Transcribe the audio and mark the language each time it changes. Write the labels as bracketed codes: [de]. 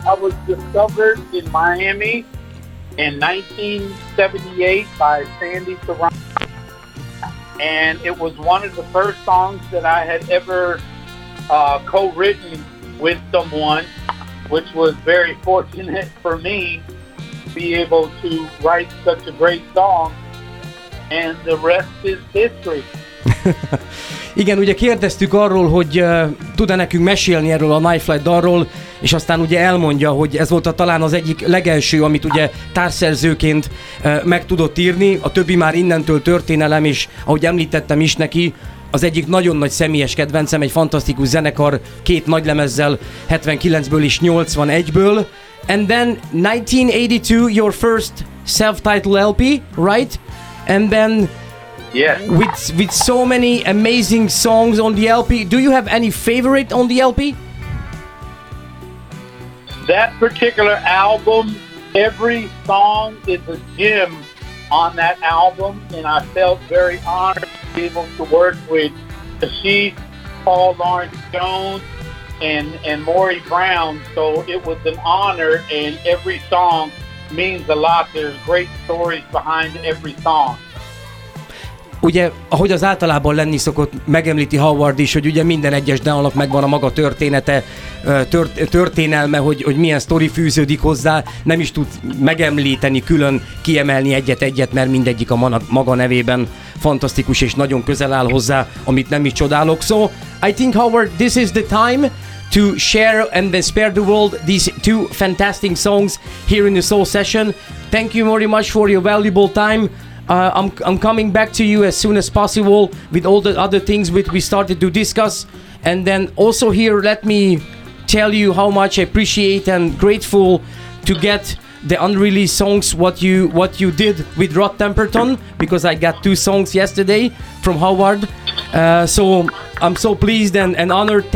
[en] I was discovered in Miami in 1978 by Sandy Serrano, and it was one of the first songs that I had ever co-written with someone, which was very fortunate for me to be able to write such a great song, and the rest is history. [hu] Igen, ugye kérdeztük arról, hogy tud-e nekünk mesélni erről a Knife Light dalról, és aztán ugye elmondja, hogy ez volt a talán az egyik legelső, amit ugye társszerzőként meg tudott írni. A többi már innentől történelem, és ahogy említettem is neki, az egyik nagyon nagy személyes kedvencem, egy fantasztikus zenekar, két nagy lemezzel, 79-ből és 81-ből. [en] And then 1982, your first self-titled LP, right? And then... Yeah. With so many amazing songs on the LP, do you have any favorite on the LP? That particular album, every song is a gem on that album, and I felt very honored to be able to work with Ashish, Paul Lawrence Jones, and Maury Brown, so it was an honor, and every song means a lot. There's great stories behind every song. [hu] Ugye, ahogy az általában lenni szokott, megemlíti Howard is, hogy ugye minden egyes dalnak megvan a maga története, történelme, hogy milyen sztori fűződik hozzá, nem is tud megemlíteni, külön kiemelni egyet-egyet, mert mindegyik a maga nevében fantasztikus és nagyon közel áll hozzá, amit nem is csodálok. [en] So, I think, Howard, this is the time to share and then spare the world these two fantastic songs here in the Soul Session. Thank you very much for your valuable time. I'm coming back to you as soon as possible with all the other things which we started to discuss, and then also here let me tell you how much I appreciate and grateful to get the unreleased songs what you did with Rod Temperton, because I got two songs yesterday from Howard, so I'm so pleased and honored.